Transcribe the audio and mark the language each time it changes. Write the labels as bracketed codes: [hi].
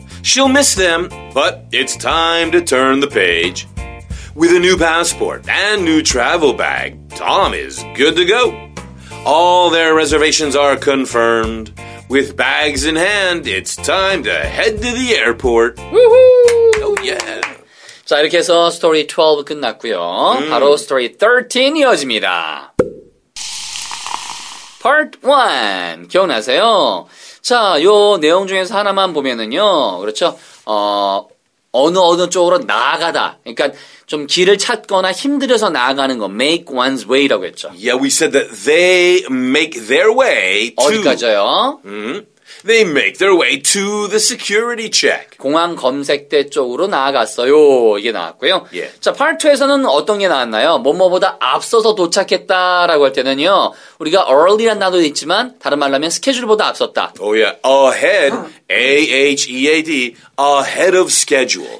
[en] She'll miss them, but it's time to turn the page. With a new passport and new travel bag, Tom is good to go. All their reservations are confirmed. With bags in hand, it's time to head to the airport. Woohoo! Oh yeah. [ko] 자, 이렇게 해서 스토리 12 끝났고요. 바로 스토리 13 이어집니다. Part 1. 기억나세요? 자, 요 내용 중에서 하나만 보면은요. 그렇죠? 어느 쪽으로 나아가다. 그러니까 좀 길을 찾거나 힘들어서 나아가는 거 make one's way라고 했죠. [en] Yeah, we said that they make their way to [ko] 어디까지요? [en] They make their way to the security check. [ko] 공항 검색대 쪽으로 나아갔어요. 이게 나왔고요. [en] Yeah. [ko] 자, part 2에서는 어떤 게 나왔나요? 뭐뭐보다 앞서서 도착했다라고 할 때는요. 우리가 early란 단어도 있지만 다른 말로 하면 스케줄보다 앞섰다. [en] Oh yeah. Ahead. A-H-E-A-D. Ahead of schedule.